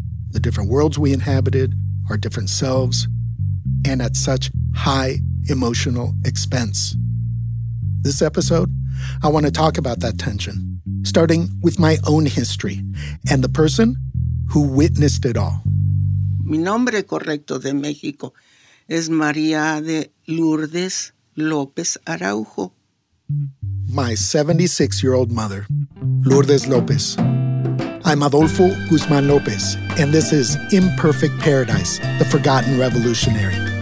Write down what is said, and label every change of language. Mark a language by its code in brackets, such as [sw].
[en] The different worlds we inhabited, our different selves, and at such high emotional expense. This episode, I want to talk about that tension, starting with my own history and the person who witnessed it all. [es] Mi nombre correcto de México es María de Lourdes López Araujo. [en] My 76-year-old mother, Lourdes López. I'm Adolfo Guzmán López, and this is Imperfect Paradise, The Forgotten Revolutionary.